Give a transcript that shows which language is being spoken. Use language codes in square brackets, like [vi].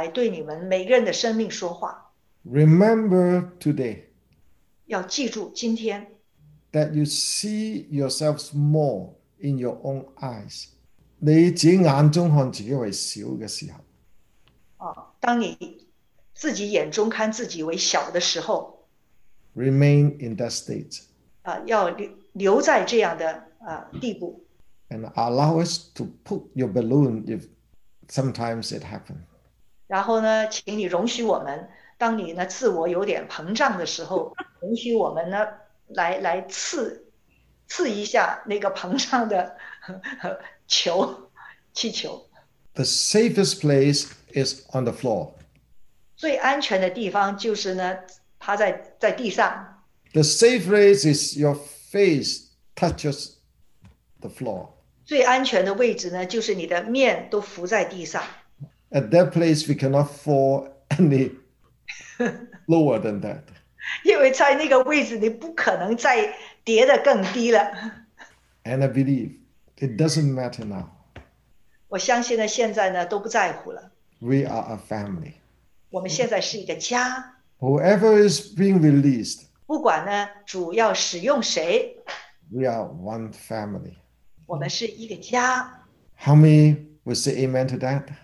[zh] 所以就容许我们呢,把这个来对你们每个人的生命说话。 [en] Remember today. [zh] 要记住今天。 [en] That you see yourselves more in your own eyes. [zh] 你自己眼中看自己为小的时候, 当你自己眼中看自己为小的时候, [en] remain in that state. [zh] 要留在这样的地步。 [en] And allow us to put your balloon if sometimes it happens. [zh] 然后呢, 请你容许我们, 当你呢, 自我有点膨胀的时候, 容许我们呢, 来刺, 刺一下那个膨胀的, 球, 气球。 [en] The safest place is on the floor. [zh] 最安全的地方就是呢, 趴在地上。 [en] The safe place is your face touches the floor. [zh] 最安全的位置呢, 就是你的面都浮在地上。 [en] At that place, we cannot fall any lower than that. [zh] 因为在那个位置你不可能再跌得更低了。 [en] And I believe it doesn't matter now. [zh] 我相信呢，现在呢都不在乎了。 [en] We are a family. [zh] 我们现在是一个家。 [en] Whoever is being released, [zh] 不管呢主要使用谁, [en] We are one family. [zh] 我们是一个家。 [en] How many would say amen to that?